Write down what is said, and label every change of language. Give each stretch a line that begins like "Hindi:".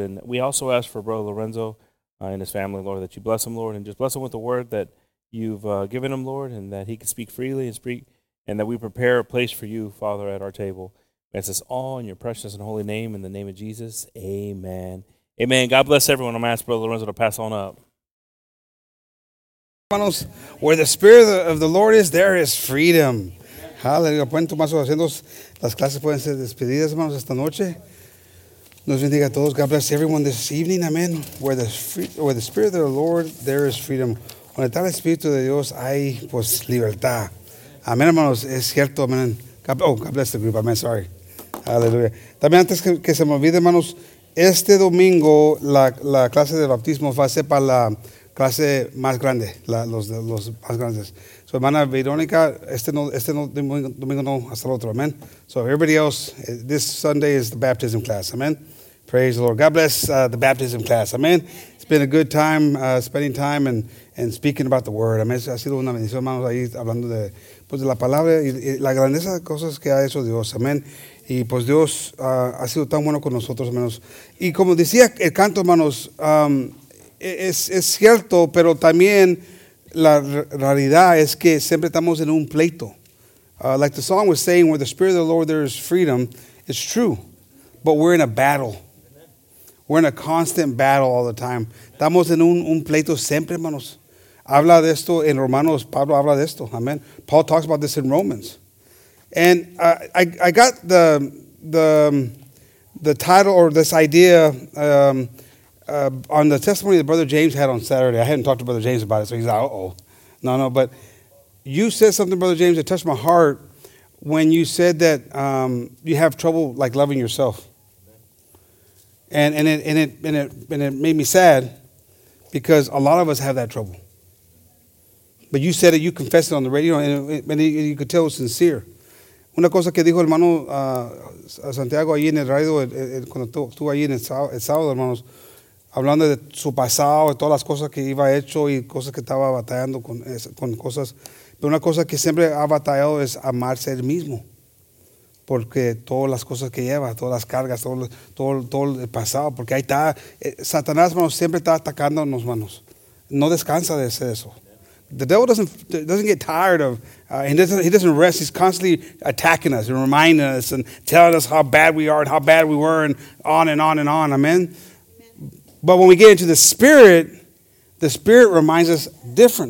English: And we also ask for Brother Lorenzo and his family, Lord, that you bless him, Lord, and just bless him with the word that you've given him, Lord, and that he can speak freely and speak, and that we prepare a place for you, Father, at our table. It's us all in your precious and holy name, in the name of Jesus. Amen. Amen. God bless everyone. I'm going to ask Brother Lorenzo to pass on up. Hermanos, where the Spirit of the Lord is, there is freedom.
Spanish: Hallelujah. Pueden tomar sus asientos. Las clases pueden ser despedidas, hermanos, esta noche. Dios bendiga a todos.
English: God bless everyone this evening. Amen. Where the Spirit of the Lord, there is freedom.
Spanish: Donde está el Espíritu de Dios, hay pues libertad. Amén, hermanos. Es cierto. Amén.
English: God bless the group.
Spanish: Amén. Sorry. Hallelujah. También antes que se me olvide, hermanos, este domingo la clase de bautismo va a ser para la clase más grande, los más grandes. Su hermana Verónica, este no, domingo no, hasta el otro, amen.
English: So everybody else, this Sunday is the baptism class, amen. Praise the Lord. God bless the baptism class, amen. It's been a good time spending time and speaking about the word, amen.
Spanish: Ha sido una bendición, hermanos, ahí hablando de, pues, de la palabra y la grandeza de cosas que ha hecho Dios, amen. Y pues Dios ha sido tan bueno con nosotros, hermanos. Y como decía el canto, hermanos, es cierto, pero también la realidad es que siempre estamos en un pleito.
English: Like the song was saying, where the Spirit of the Lord, there is freedom. It's true, but we're in a battle. We're in a constant battle all the time.
Spanish: Estamos en un pleito siempre, hermanos. Habla de esto en Romanos. Pablo habla de esto. Amen.
English: Paul talks about this in Romans. And I got the title or this idea on the testimony that Brother James had on Saturday. I hadn't talked to Brother James about it, so he's like, uh-oh. No, but you said something, Brother James, that touched my heart when you said that you have trouble, like, loving yourself. And it made me sad because a lot of us have that trouble. But you said it, you confessed it on the radio, and you could tell it was sincere.
Spanish: Una cosa que dijo hermano Santiago ahí en el radio, cuando estuvo ahí en el sábado, hermanos, hablando de su pasado y todas las cosas que iba hecho y cosas que estaba batallando con cosas. Pero una cosa que siempre ha batallado es amarse él mismo. Porque todas las cosas que lleva, todas las cargas, todo el pasado. Porque ahí está, Satanás, hermanos, siempre está atacando a los hermanos. No descansa de hacer eso.
English: The devil doesn't get tired of, he doesn't rest. He's constantly attacking us and reminding us and telling us how bad we are and how bad we were and on and on and on. Amen. But when we get into the Spirit reminds us different.